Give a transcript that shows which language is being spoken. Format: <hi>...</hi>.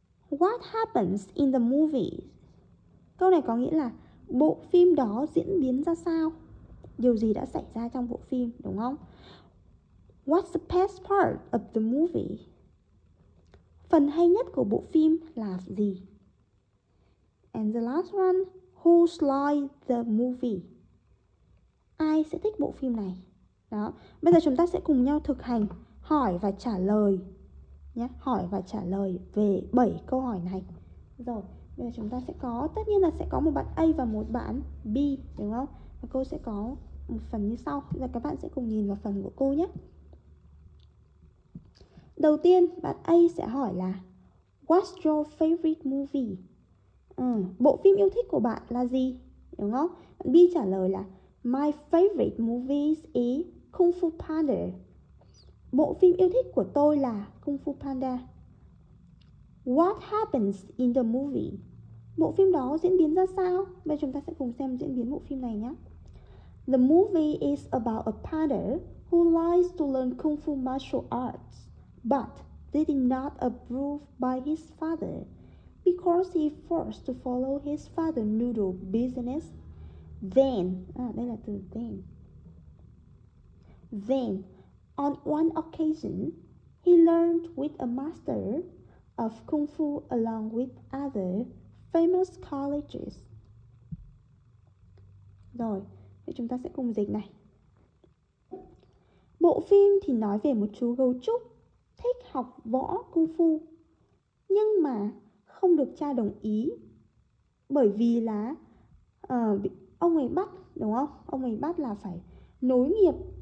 <en>What happens in the movie?</en> <vi>Câu này có nghĩa là bộ phim đó diễn biến ra sao? Điều gì đã xảy ra trong bộ phim, đúng không?</vi> <en>What's the best part of the movie?</en> <vi>Phần hay nhất của bộ phim là gì?</vi> <en>And the last one, who's like the movie?</en> <vi>Ai sẽ thích bộ phim này? Đó. Bây giờ chúng ta sẽ cùng nhau thực hành hỏi và trả lời nhé. Hỏi và trả lời về 7 câu hỏi này. Rồi, bây giờ chúng ta sẽ có, tất nhiên là sẽ có một bạn A và một bạn B, đúng không? Và cô sẽ có một phần như sau. Bây giờ các bạn sẽ cùng nhìn vào phần của cô nhé. Đầu tiên, bạn A sẽ hỏi là</vi> <en>What's your favorite movie?</en> <vi>Bộ phim yêu thích của bạn là gì? Đúng không? Bạn B trả lời là</vi> <en>My favorite movies is Kung Fu Panda.</en> <vi>Bộ phim yêu thích của tôi là Kung Fu Panda.</vi> <en>What happens in the movie?</en> <vi>Bộ phim đó diễn biến ra sao? Bây chúng ta sẽ cùng xem diễn biến bộ phim này nhé.</vi> <en>The movie is about a panda who likes to learn Kung Fu martial arts, but did not approve by his father because he forced to follow his father's noodle business. Then,</en> <vi>đây là từ then.</vi> <en>Then, on one occasion, he learned with a master of Kung Fu along with other famous colleges.</en> <vi>Rồi, vậy chúng ta sẽ cùng dịch này. Bộ phim thì nói về một chú gấu trúc thích học võ Kung Fu, nhưng mà không được cha đồng ý bởi vì là ông ấy bắt, đúng không? Ông ấy bắt là phải nối nghiệp</vi>